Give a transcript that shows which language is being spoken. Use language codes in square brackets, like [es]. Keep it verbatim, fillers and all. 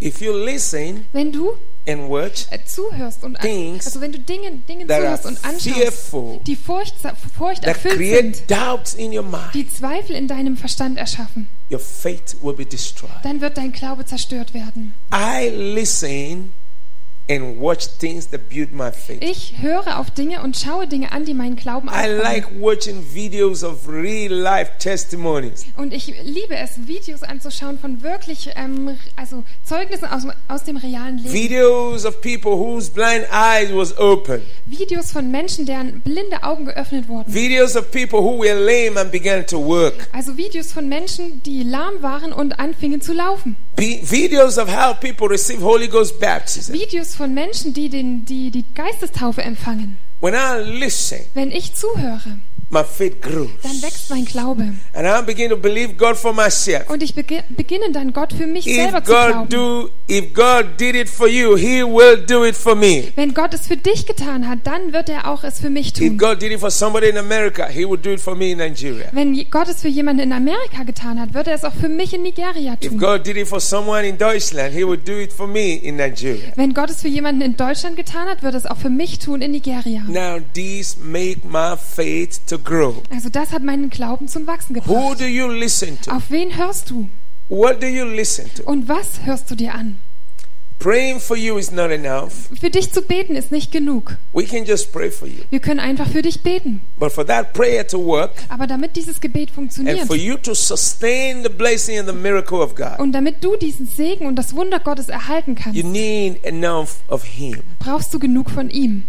[en] If you listen, [de] Wenn du [en] in what? [de] Äh, zuhörst und an- [en] Things [de] also wenn du Dinge, Dinge [en] that are [de] zuhörst und anschaust, [en] fearful, [de] die Furcht, Furcht [en] that [de] erfüllt [en] create [de] sind, [en] doubts in your mind. [de] die Zweifel in deinem Verstand erschaffen, [en] Your faith will be destroyed. [de] dann wird dein Glaube zerstört werden. [en] I listen and watch things that build my faith. [de] Ich höre auf Dinge und schaue Dinge an, die meinen Glauben [en] I [de] aufbauen. [en] like watching videos of real life testimonies. [de] Und ich liebe es, Videos anzuschauen von wirklich, ähm, also Zeugnissen aus, aus dem realen Leben. [en] Videos of people whose blind eyes was open. [de] Videos von Menschen, deren blinde Augen geöffnet wurden. [en] Videos of people who were lame and began to work. [de] Also Videos von Menschen, die lahm waren und anfingen zu laufen. [en] Be, videos of how people receive Holy Ghost baptism. [de] Videos von Menschen, die den, die die Geistestaufe empfangen. [en] When I listen, [de] Wenn ich zuhöre, [en] my faith grows. [de] Dann wächst mein Glaube. [en] And I'm beginning to believe God for myself. [de] Und ich bege-, beginne dann Gott für mich [en] If [de] selber zu [en] God [de] glauben. [en] do, if God did it for you, he will do it for me. [de] Wenn Gott es für dich getan hat, dann wird er auch es für mich [en] If [de] tun. [en] God did it for somebody in America, he would do it for me in Nigeria. [de] Wenn Gott es für jemanden in Amerika getan hat, wird er es auch für mich in Nigeria [en] If [de] tun. [en] God did it for someone in Deutschland, he would do it for me in Nigeria. [de] Wenn Gott es für jemanden in Deutschland getan hat, wird er es auch für mich tun in Nigeria. [en] Now, this make my faith to grow. [de] Also das hat meinen Glauben zum Wachsen gebracht. [en] Who do you listen to? [de] Auf wen hörst du? [en] What do you listen to? [de] Und was hörst du dir an? [en] Praying for you is not enough. [de] Für dich zu beten ist nicht genug. [en] We can just pray for you. [de] Wir können einfach für dich beten. [en] But for that prayer to work [de] Aber damit dieses Gebet [en] and [de] funktioniert [en] for you to sustain the blessing and the miracle of God, [de] und damit du diesen Segen und das Wunder Gottes erhalten kannst, [en] you need enough of Him [de] brauchst du genug von ihm,